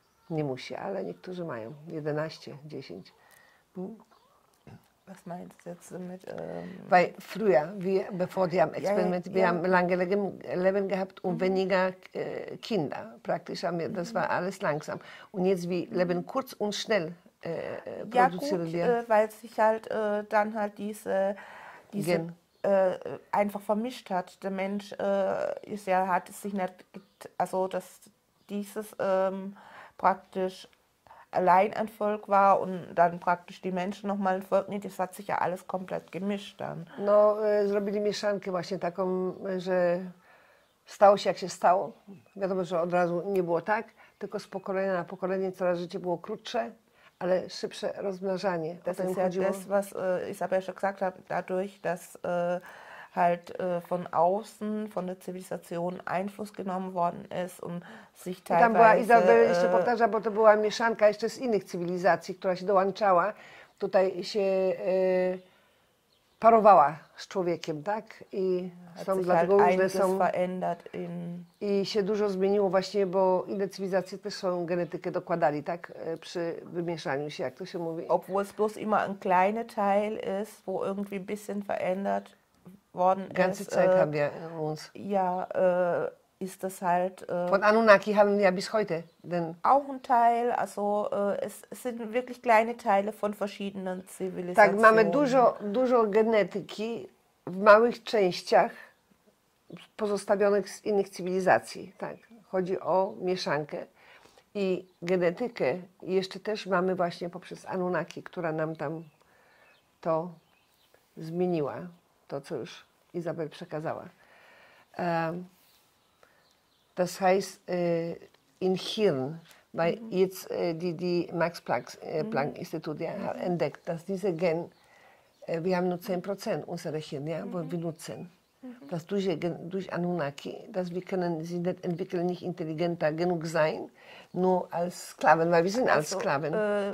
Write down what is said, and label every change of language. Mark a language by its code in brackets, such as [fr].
[pl] Nie musi, ale niektórzy mają 11, 10. [de] Was meinst du jetzt mit? Weil früher, bevor die haben experimentiert, wir haben lange Leben gehabt und weniger Kinder. Praktisch haben wir, das war alles langsam. Und jetzt wie Leben kurz und schnell produzieren wir. Ja, gut, weil sich halt dann halt diese Gen. Einfach vermischt hat. Der Mensch ist ja, hat es sich nicht, also dass dieses. Praktisch allein ein Volk war und dann praktisch die Menschen nochmal ein Volk. Nee, das hat sich ja alles komplett gemischt dann. [pl] No, zrobili mieszankę właśnie taką, że stało się jak się stało. Wiadomo, że od razu nie było tak, tylko z pokolenia na pokolenie coraz życie było krótsze, ale szybsze rozmnażanie. [de] Das ist ja das, was Isabel schon gesagt hat, dadurch, dass halt von außen, von der Zivilisation Einfluss genommen worden ist und sich teilweise... [pl] Tam była Izabel, jeszcze powtarza, bo to była mieszanka jeszcze z innych cywilizacji, która się dołączała, tutaj się parowała z człowiekiem, tak? I są dlatego [de] halt [pl] różne są... [de] Verändert in... [pl] I się dużo zmieniło właśnie, bo inne cywilizacje też swoją genetykę dokładali, tak? Przy wymieszaniu się, jak to się mówi. [de] Obwohl es bloß immer ein kleiner Teil ist, wo irgendwie ein bisschen verändert worden ganze ist, Zeit haben wir uns. Ja, ist das halt. Von Anunnaki haben wir ja bis heute. Denn auch ein Teil, also es sind wirklich kleine Teile von verschiedenen Zivilisationen. [pl] Tak, mamy dużo genetyki w małych częściach pozostawionych z innych cywilizacji. Tak, chodzi o mieszankę. I genetykę jeszcze też mamy właśnie poprzez Anunnaki, która nam tam to zmieniła. To, co już Izabel przekazała. [de] Das heißt, in Hirn, weil jetzt die Max Planck Institut entdeckt, dass diese Gen, wir haben nur 10% unserer Hirn, ja, wo wir nutzen. Dass durch Anunnaki, dass wir können sie nicht entwickeln, nicht intelligenter genug sein, nur als Sklaven, weil wir sind als Sklaven.